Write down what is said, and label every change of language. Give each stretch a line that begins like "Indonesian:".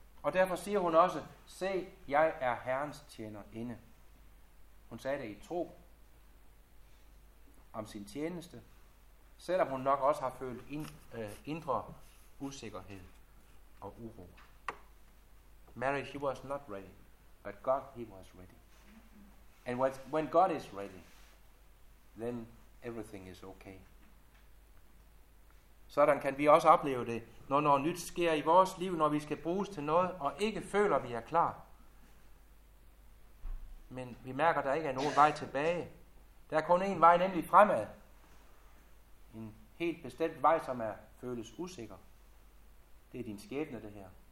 Danish: Og derfor siger hun også, se, jeg er Herrens tjenerinde. Hun sagde det i tro om sin tjeneste, selvom hun nok også har følt indre usikkerhed og uro.
English: Mary, she was not ready, but God, he was ready. And when God is ready, then everything is okay.
Danish: Sådan kan vi også opleve det, når noget nyt sker i vores liv, når vi skal bruges til noget, og ikke føler, vi er klar. Men vi mærker, der ikke er nogen vej tilbage. Der er kun en vej, nemlig fremad. En helt bestemt vej, som er føles usikker. Det er din skæbne, det her.